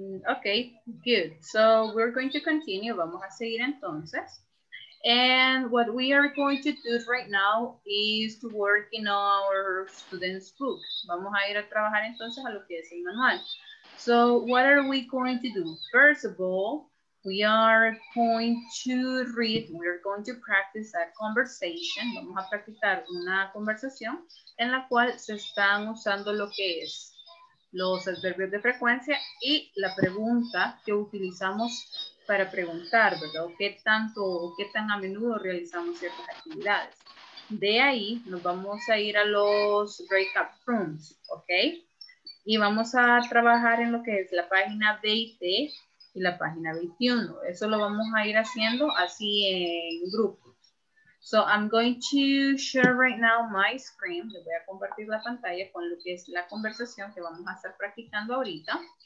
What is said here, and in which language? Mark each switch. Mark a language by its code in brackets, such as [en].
[en] Okay, good. So we're going to continue. [es] Vamos a seguir entonces. [en] And what we are going to do right now is to work in our students' book. [es] Vamos a ir a trabajar entonces a lo que es el manual. [en] So what are we going to do? First of all, we are going to read, we are going to practice a conversation. [es] Vamos a practicar una conversación en la cual se están usando lo que es los adverbios de frecuencia y la pregunta que utilizamos para preguntar, ¿verdad? ¿Qué tanto o qué tan a menudo realizamos ciertas actividades? De ahí nos vamos a ir a los breakout rooms, ¿ok? Y vamos a trabajar en lo que es la página 20 y la página 21. Eso lo vamos a ir haciendo así en grupos. [en] So I'm going to share right now my screen. [es] Les voy a compartir la pantalla con lo que es la conversación que vamos a estar practicando ahorita.